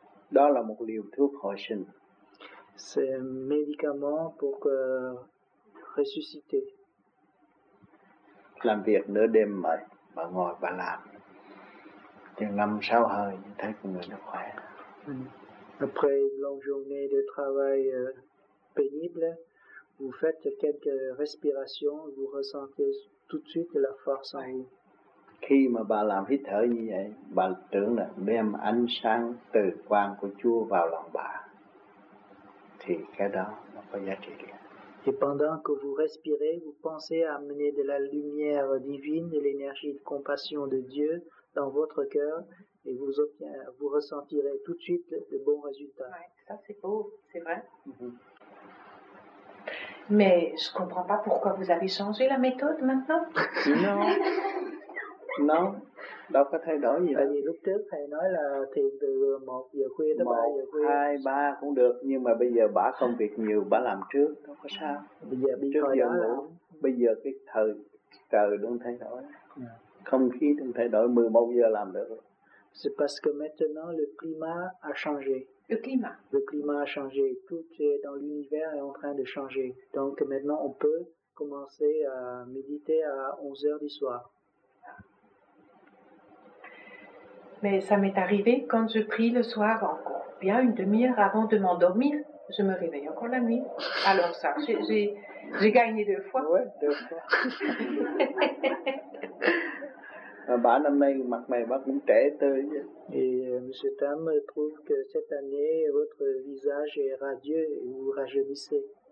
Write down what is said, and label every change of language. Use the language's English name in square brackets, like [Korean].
[Vietnamese] Đó là một liều thuốc hồi sinh. [French] C'est un médicament pour ressusciter. [Vietnamese] Làm việc nửa đêm mệt, bà ngồi bà làm, chừng năm sáu hơi thấy con người nó khỏe. [French] Après une longue journée de travail pénible, vous faites quelques respirations, vous ressentez tout de suite la force en vous. [Vietnamese] Khi mà bà làm hít thở như vậy, bà tưởng là đem ánh sáng từ quang của Chúa vào lòng bà, thì cái đó nó có giá trị. [French] Et pendant que vous respirez, vous pensez à amener de la lumière divine, de l'énergie de compassion de Dieu dans votre cœur. Et vous obtiendrez, vous ressentirez tout de suite de bons résultats. Ouais, ça c'est beau, c'est vrai. Mm-hmm. Mais je comprends pas pourquoi vous avez changé la méthode maintenant. Non, non, [Vietnamese] đâu có thay đổi gì. Tại vì lúc trước thầy nói là thiền từ 1 giờ khuya tới 3 giờ khuya. 1, 2, 3 cũng được, nhưng mà bây giờ bả công việc nhiều, bả làm trước, đâu có sao. Bây giờ bị trước giờ ngủ, bây giờ cái thời trời đang thay đổi, không khí đang thay đổi, 11 giờ làm được. [French] C'est parce que maintenant le climat a changé. Le climat. Le climat a changé. Tout est dans l'univers est en train de changer. Donc maintenant on peut commencer à méditer à 11h du soir. Mais ça m'est arrivé quand je prie le soir encore bien une demi-heure avant de m'endormir, je me réveille encore la nuit. Alors ça, j'ai gagné 2 fois. Ouais, 2 fois. [Vietnamese] Bà năm nay mặt mày bà cũng trẻ tươi. [French] Et Monsieur Tam trouve que cette année votre visage est radieux et vous rajeunissez.